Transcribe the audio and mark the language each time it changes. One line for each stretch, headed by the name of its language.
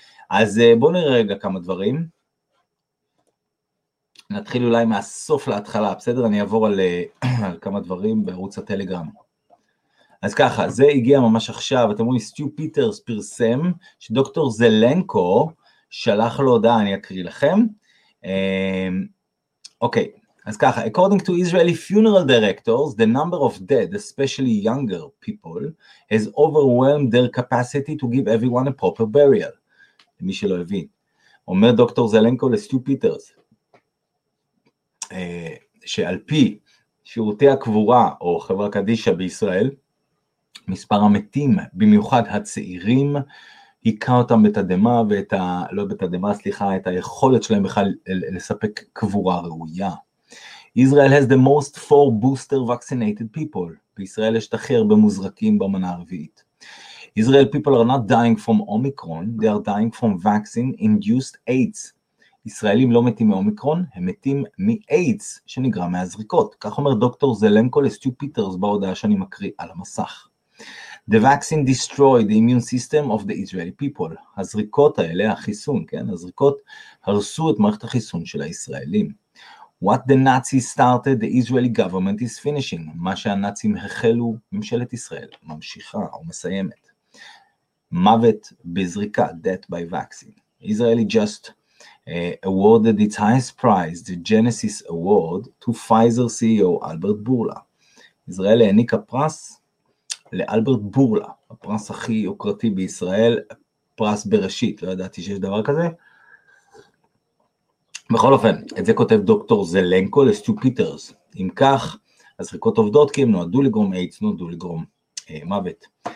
Hebrew: אז בואו נראה רגע כמה דברים, נתחיל אולי מהסוף להתחלה, בסדר? אני אעבור על, על כמה דברים בערוץ הטלגרם. אז ככה, זה הגיע ממש עכשיו, אתם רואים, סטיו פיטרס פרסם, שדוקטור זלנקו שלח לו הודעה, אני אקריא לכם. אוקיי. אז ככה,
English: according to Israeli funeral directors, the number of dead, especially younger people, has overwhelmed their capacity to give everyone a proper burial.
Hebrew: למי שלא הבין. אומר דוקטור זלנקו לסטיו פיטרס, שעל פי שירותי הקבורה או חברה קדישה בישראל, מספר המתים, במיוחד הצעירים, היכה אותם בתדמה ואת ה... לא בתדמה, סליחה, את היכולת שלהם בכלל לספק קבורה ראויה.
English: Israel has the most four booster vaccinated people.
Hebrew: בישראל יש את הכי הרבה מוזרקים במנה הרביעית.
English: Israel people are not dying from Omicron, they are dying from vaccine-induced AIDS.
Hebrew: ישראלים לא מתים מאומיקרון, הם מתים מ-AIDS שנגרם מהזריקות. כך אומר דוקטור זלנקו לסטיו פיטרס בהודעה שאני מקריא על המסך.
English: The vaccine destroyed the immune system of the Israeli people.
Hebrew: הזריקות האלה, החיסון, כן? הזריקות הרסו את מערכת החיסון של הישראלים.
English: What the Nazis started, the Israeli government is finishing.
Hebrew: מה שהנאצים החלו, ממשלת ישראל ממשיכה או מסיימת. מוות בזריקה,
English: death by vaccine. Israeli just awarded its highest prize, the Genesis Award, to Pfizer CEO Albert Bourla.
Hebrew: Israel העניקה פרס לאלברט בורלה, הפרס הכי יוקרתי בישראל, פרס בראשית, לא ידעתי שיש דבר כזה. בכל אופן, את זה כותב דוקטור זלנקו לסטיו פיטרס. אם כך, הזריקות עובדות כי הם נועדו לגרום איידס, נועדו לגרום מוות.